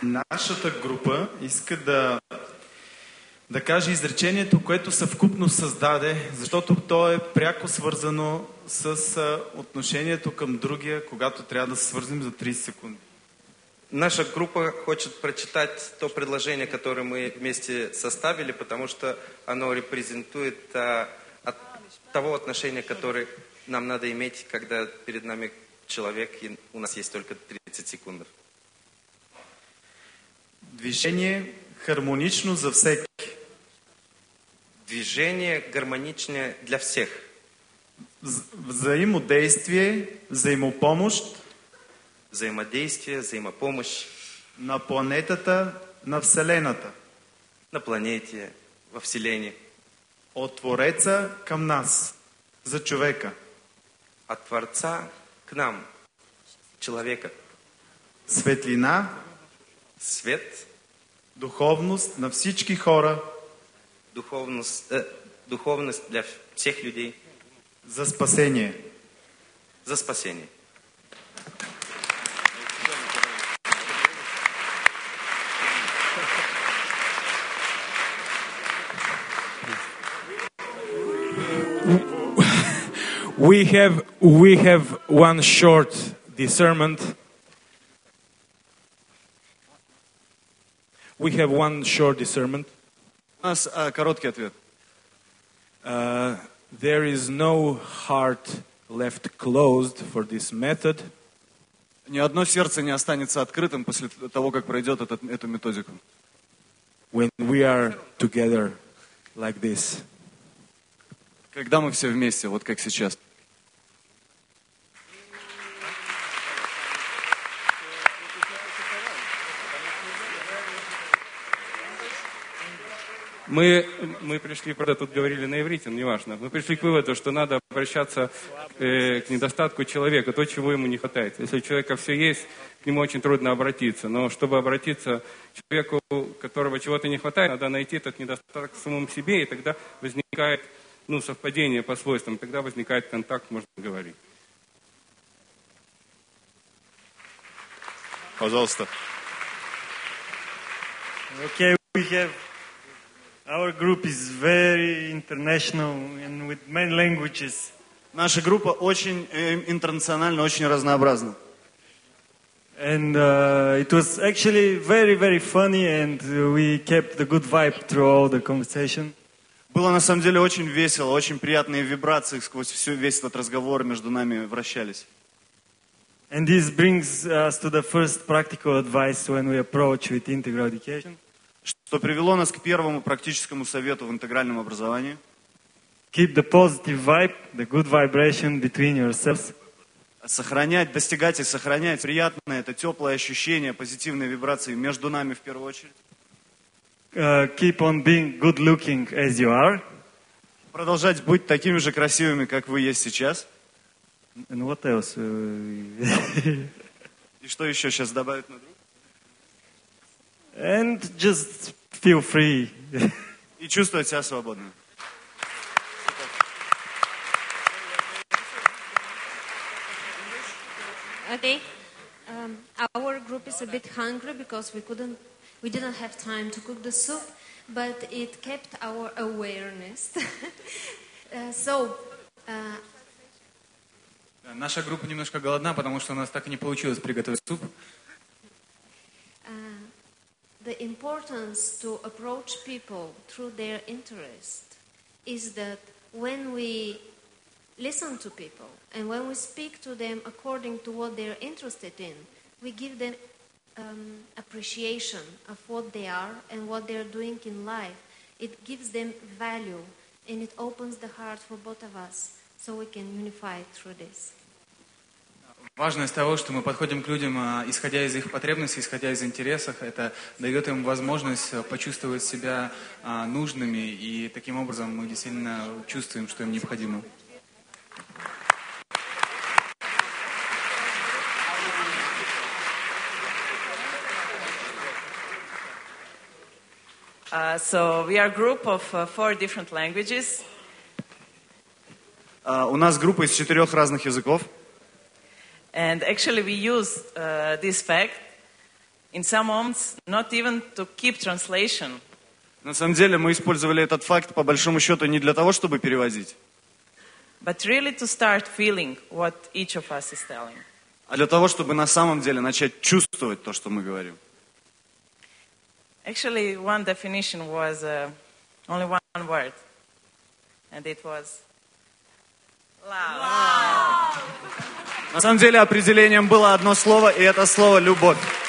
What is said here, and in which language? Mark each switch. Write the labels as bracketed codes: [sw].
[bg] Нашата група иска да каже изречението, което съвкупно създаде, защото то е пряко свързано с отношението към другия, когато трябва да се свързим за 30 секунди. [ru] Наша група хоче да прочита то предложение, което ми вместе съставили, потому что оно репрезентует того отношение, которое нам надо иметь, когда перед нами человек и у нас есть только 30 секунд. [bg] Движение хармонично за всеки. [ru] Движение гармоничное для всех. [bg] Взаимодействие, взаимопомощ. [ru] Взаимодействие, взаимопомощь. [bg] На планетата, на Вселената. [ru] На планете, во Вселене. [bg] От Твореца към нас, за човека. [ru] От Творца к нам, человека. [bg] Светлина. [ru] Свет. [bg] Духовност на всички хора. [ru] Духовност для всех людей. [bg] За спасение. [ru] За спасение. [en] We have one short discernment. We have one short discernment. [ru] У нас короткий ответ. [en] There is no heart left closed for this method. [ru] Ни одно сердце не останется открытым после того, как пройдет эту методику. [en] When we are together like this. [ru] Когда мы все вместе, вот как сейчас. Мы пришли, правда, тут говорили на иврите, но неважно. Мы пришли к выводу, что надо обращаться к недостатку человека, то, чего ему не хватает. Если у человека все есть, к нему очень трудно обратиться. Но чтобы обратиться к человеку, которого чего-то не хватает, надо найти этот недостаток в самом себе, и тогда возникает совпадение по свойствам, тогда возникает контакт, можно говорить. Пожалуйста. [en] Okay, we have... Our group is very international and with many languages. [ru] Наша группа очень интернациональна, очень разнообразна. [en] And it was actually very, very funny, and we kept the good vibe through all the conversation. [ru] Было на самом деле очень весело, очень приятные вибрации сквозь весь этот разговор между нами вращались. [en] And this brings us to the first practical advice when we approach with integral education. [ru] Что привело нас к первому практическому совету в интегральном образовании. [en] Keep the positive vibe, the good vibration between yourselves. [ru] Сохранять, достигать и сохранять приятное, это теплое ощущение, позитивные вибрации между нами в первую очередь. [en] Keep on being good looking as you are. [ru] Продолжать быть такими же красивыми, как вы есть сейчас. [en] And what else? [ru] И что еще сейчас добавить на друг? [en] And just feel free. [ru] И чувствовать себя свободно. [en] Okay. Our group is a bit hungry because we didn't have time to cook the soup, but it kept our awareness. [ru] Наша группа немножко голодна, потому что у нас так и не получилось приготовить суп. [en] The importance to approach people through their interest is that when we listen to people and when we speak to them according to what they're interested in, we give them appreciation of what they are and what they're doing in life. It gives them value and it opens the heart for both of us so we can unify through this. [ru] Важность того, что мы подходим к людям, исходя из их потребностей, исходя из интересов, это дает им возможность почувствовать себя нужными, и таким образом мы действительно чувствуем, что им необходимо. [en] So we are a group of four different languages. [ru] У нас группа из четырех разных языков. [en] And actually we use this fact in some moments not even to keep translation. [ru] На самом деле мы использовали этот факт по большому счету не для того, чтобы переводить. [en] But really to start feeling what each of us is telling. [ru] А для того, чтобы на самом деле начать чувствовать то, что мы говорим. [en] Actually, one definition was only one word, and it was love. Wow. [ru] На самом деле определением было одно слово, и это слово любовь.